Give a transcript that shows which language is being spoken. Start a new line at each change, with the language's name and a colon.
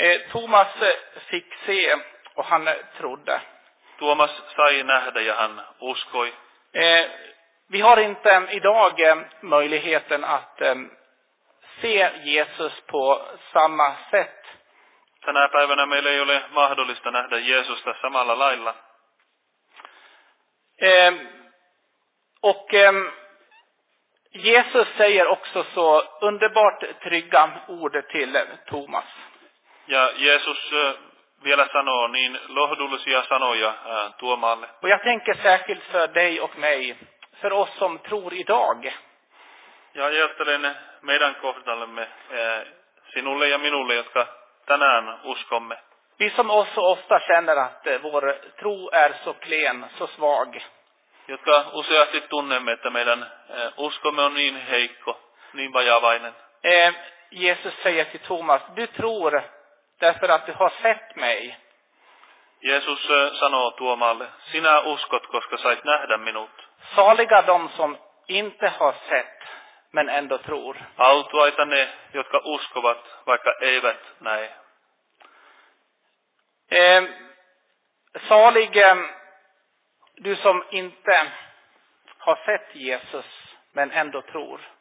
Swedish: Thomas fick se och han trodde.
Finnish: Thomas sai nähdä ja hän uskoi.
Swedish: Vi har inte idag möjligheten att se Jesus på samma sätt.
Finnish: Tänä päivänä meillä ei ole mahdollista nähdä Jeesusta samalla lailla.
Swedish: Och Jesus säger också så underbart trygga ord till Thomas.
Finnish: Ja Jesus vielä sanoo niin lohdullisia sanoja Tuomalle.
Swedish: Och jag tänker särskilt för dig och mig, för oss som tror idag.
Finnish: Ja ajattelen meidän kohdallemme, sinulle ja minulle, jotka tänään uskomme.
Swedish: Vi som också ofta känner att vår tro är så klen, så svag.
Finnish: Jotka useasti tunnemme, että meidän uskomme on niin heikko, niin vajavainen.
Swedish: Jesus säger till Thomas, du tror därför att du har sett mig.
Finnish: Jeesus sanoo Tuomalle, sinä uskot, koska sait nähdä minut.
Swedish: Saliga de som inte har sett, men ändå tror.
Finnish: Autuaita ne, jotka uskovat, vaikka eivät näe.
Swedish: Saliga du som inte har sett Jesus men ändå tror.